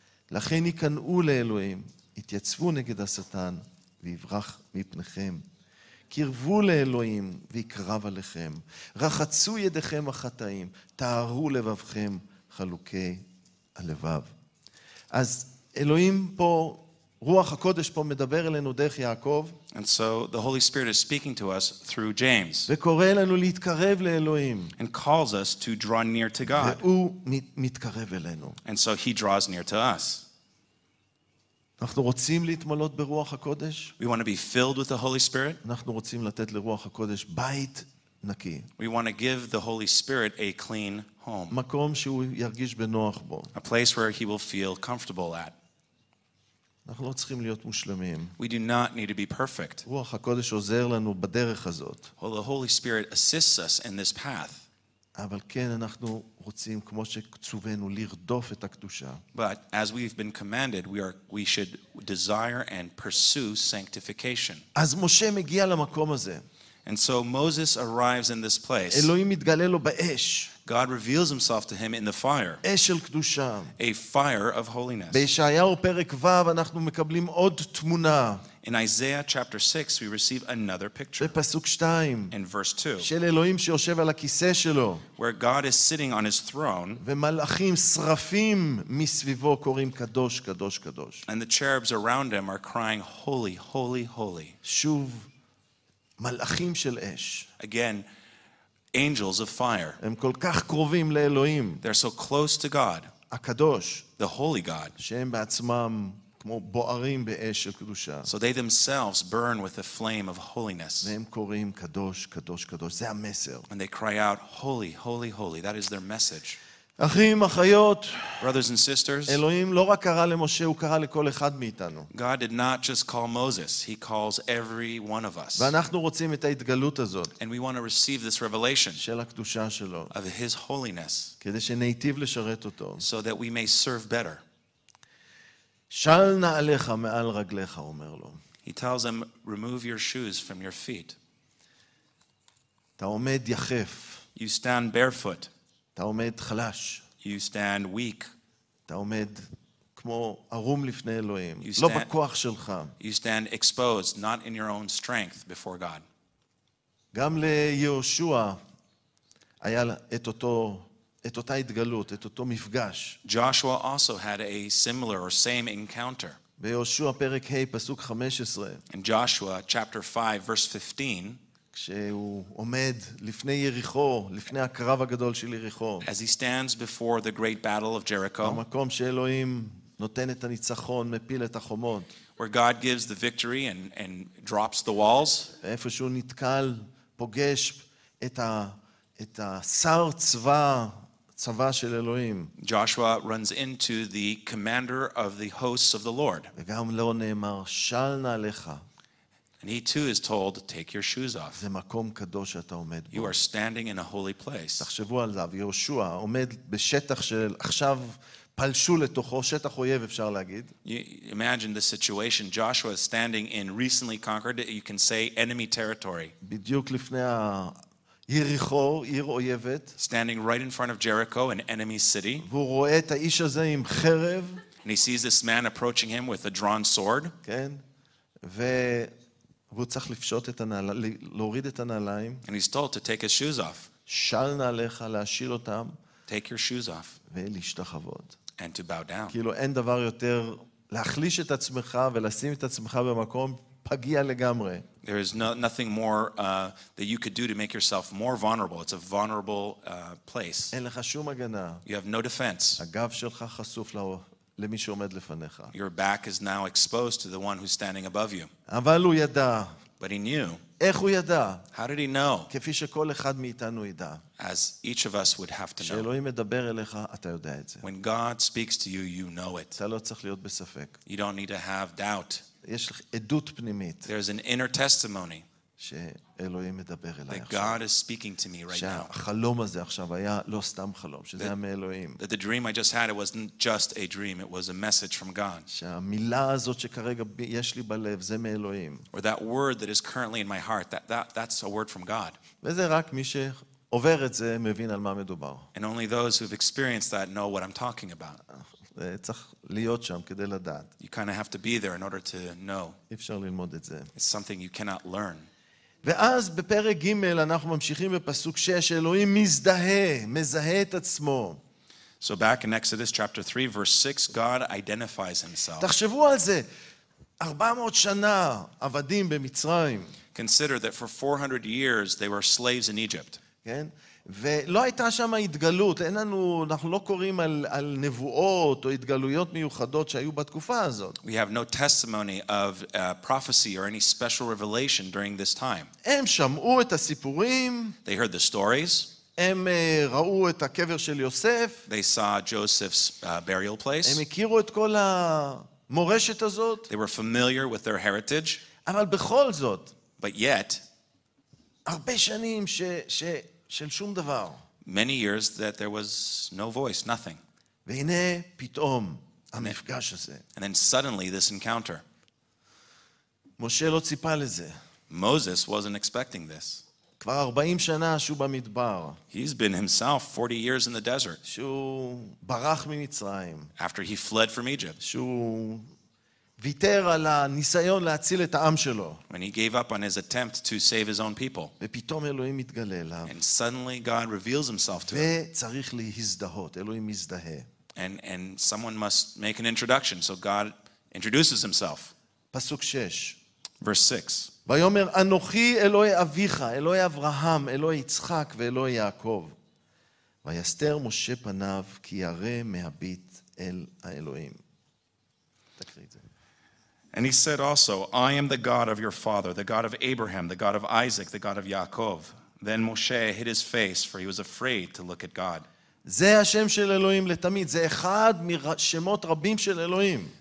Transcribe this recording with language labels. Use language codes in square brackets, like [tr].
[he] לכן יקנאו לאלוהים, יתייצבו נגד השטן, ויברח מפניכם. קרבו לאלוהים, ויקרב עליכם. רחצו ידיכם החטאים, תארו לבבכם חלוקי הלבב. אז אלוהים פה, רוח הקודש פה מדבר אלינו דרך יעקב. [en] And so the Holy Spirit is speaking to us through James. [he] וקורא לנו להתקרב לאלוהים. [en] And calls us to draw near to God. [he] והוא מתקרב אלינו. [en] And so he draws near to us. [he] אנחנו רוצים להתמלות ברוח הקודש. [en] We want to be filled with the Holy Spirit. [he] אנחנו רוצים לתת לרוח הקודש בית נקי. [en] We want to give the Holy Spirit a clean home. [he] מקום שהוא ירגיש בנוח בו. [en] A place where he will feel comfortable at. [he] אנחנו לא צריכים להיות מושלמים. [en] We do not need to be perfect. [he] רוח הקודש עוזר לנו בדרך הזאת. [en] The Holy Spirit assists us in this path. [he] אבל כן, אנחנו רוצים, כמו שצווינו, לרדוף את הקדושה. [en] But as we've been commanded, we should desire and pursue sanctification. [he] אז משה מגיע למקום הזה. [en] And so Moses arrives in this place. [he] Elohim מתגלה לו באש. [en] God reveals himself to him in the fire. [he] אש של קדושה. [en] A fire of holiness. [he] בישעיהו פרק ו' אנחנו מקבלים עוד תמונה. [en] In Isaiah chapter 6 we receive another picture. [he] בפסוק 2. [en] In verse 2. [he] של אלוהים שיושב על הכיסא שלו. [en] Where God is sitting on his throne. [he] ומלאכים שרפים מסביבו קוראים קדוש קדוש קדוש. [en] And the cherubs around him are crying holy holy holy. [he] שוב מלאכים של אש. [en] Again, angels of fire. [he] הם כל כך קרובים לאלוהים. [en] They're so close to God. [he] הקדוש. [en] The holy God. [he] שהם בעצמם כמו בוערים באש של קדושה. [en] So they themselves burn with the flame of holiness. [he] והם קוראים קדוש, קדוש, קדוש. זה המסר. [en] And they cry out, holy, holy, holy. That is their message. [he] אחים, אחיות. [en] Brothers and sisters. [he] אלוהים לא רק קרא למשה, הוא קרא לכל אחד מאיתנו. [en] God did not just call Moses, he calls every one of us. [he] ואנחנו רוצים את ההתגלות הזאת. [en] And we want to receive this revelation. [he] של הקדושה שלו. [en] Of his holiness. [he] כדי שנהיטיב לשרת אותו. [en] So that we may serve better. [he] של נעליך מעל רגליך, אומר לו. [en] He tells him, remove your shoes from your feet. [he] אתה עומד יחף. [en] You stand barefoot. [he] אתה עומד חלש. [en] You stand weak. [he] אתה עומד כמו ערום לפני אלוהים. לא בכוח שלך. [en] You stand exposed, not in your own strength before God. [he] גם ליהושע היה את אותה התגלות, את אותו מפגש. [en] Joshua also had a similar or same encounter. [he] ביהושע פרק ה' פסוק 15. [en] In Joshua chapter 5 verse 15. [he] כשהוא עומד לפני יריחו, לפני הקרב הגדול של יריחו. [en] As he stands before the great battle of Jericho. [he] במקום שאלוהים נותן את הניצחון, מפיל את החומות. [en] Where God gives the victory and drops the walls. [he] איפה שהוא נתקל, פוגש את השר צבא, צבא של אלוהים. [en] Joshua runs into the commander of the hosts of the Lord. [he] וגם לא נאמר, של נעליך. And he too is told, take your shoes off. זה מקום קדוש שאתה עומד בו. [en] You are standing in a holy place. [he] תחשבו על זה, יהושע עומד בשטח של עכשיו פלשו לתוכו, שטח אויב אפשר להגיד. [en] You imagine the situation. Joshua is standing in recently conquered, you can say, enemy territory. [he] בדיוק לפני יריחו, עיר אויבת. [en] Standing right in front of Jericho, an enemy city. [he] והוא רואה את האיש הזה עם חרב. [en] And he sees this man approaching him with a drawn sword. [he] כן. והוא צריך לפשוט את הנעליים, להוריד את הנעליים. [en] And he's told to take his shoes off. [he] של נעליך, להשיל אותם. [en] Take your shoes off. [he] ולהשתחוות. [en] And to bow down. [he] כאילו אין דבר יותר להחליש את עצמך ולשים את עצמך במקום פגיע לגמרי. [en] There is nothing more that you could do to make yourself more vulnerable. It's a vulnerable place. [he] אין לך שום הגנה. [en] You have no defense. [he] הגב שלך חשוף למי שעומד לפניך. [en] Your back is now exposed to the one who's standing above you. [he] אבל הוא ידע. [en] But he knew. [he] איך הוא ידע? [en] How did he know? [he] כפי שכל אחד מאיתנו ידע. [en] As each of us would have to know. [he] כשאלוהים מדבר אליך, אתה יודע את זה. [en] When God speaks to you, you know it. [he] אתה לא צריך להיות בספק. [en] You don't need to have doubt. [he] יש לך עדות פנימית. [en] There's an inner testimony. [he] שאלוהים מדבר אליי עכשיו. [en] That God is speaking to me right now. [he] שהחלום הזה עכשיו היה לא סתם חלום, שזה היה מאלוהים. [en] That the dream I just had, it wasn't just a dream, it was a message from God. [he] שהמילה הזאת שכרגע יש לי בלב, זה מאלוהים. [en] Or that word that is currently in my heart, that's a word from God. [he] וזה רק מי שעובר את זה מבין על מה מדובר. [en] And only those who've experienced that know what I'm talking about. [he] צריך להיות שם כדי לדעת. [en] You kind of have to be there in order to know. [he] אפשר ללמוד את זה. [en] It's something you cannot learn. [he] ואז בפרק ג' אנחנו ממשיכים בפסוק 6, אלוהים מזהה את עצמו. [en] So back in Exodus chapter 3 verse 6, God identifies himself. [he] תחשבו על זה, 400 שנה עבדים במצרים. [en] Consider that for 400 years they were slaves in Egypt. [he] כן? ולא הייתה שם התגלות, אנחנו לא קוראים על נבואות או התגלויות מיוחדות שהיו בתקופה הזאת. [en] We have no testimony of prophecy or any special revelation during this time. [he] הם שמעו את הסיפורים. [en] They heard the stories. [he] הם ראו את הקבר של יוסף. [en] They saw Joseph's burial place. [he] הם הכירו את כל המורשת הזאת. [en] They were familiar with their heritage. [he] אבל בכל זאת. [en] But yet. [he] הרבה שנים של שום דבר. [en] Many years that there was no voice, nothing. [he] והנה פתאום המפגש הזה. [en] And then suddenly this encounter. [he] משה לא ציפה לזה. [en] Moses wasn't expecting this. [he] כבר 40 שנה שהוא במדבר. [en] He's been himself 40 years in the desert. [he] שהוא ברח ממצרים. [en] After he fled from Egypt. [he] שהוא ויתר על הניסיון להציל את העם שלו. [en] When he gave up on his attempt to save his own people. [he] ופתאום אלוהים מתגלה אליו. [en] And suddenly God reveals himself to him. [he] וצריך להזדהות, אלוהים מזדהה. [en] And someone must make an introduction, so God introduces himself. [he] פסוק 6. [en] Verse 6. [he] ויאמר אנוכי אלוהי אביך, אלוהי אברהם, אלוהי יצחק ואלוהי יעקב. ויסתר משה פניו כי ירא מהביט אל האלוהים. תקריא את זה. [en] And he said also, I am the God of your father, the God of Abraham, the God of Isaac, the God of Yaakov. Then Moshe hid his face, for he was afraid to look at God. [he] זה השם של אלוהים לתמיד, זה אחד משמות רבים של אלוהים.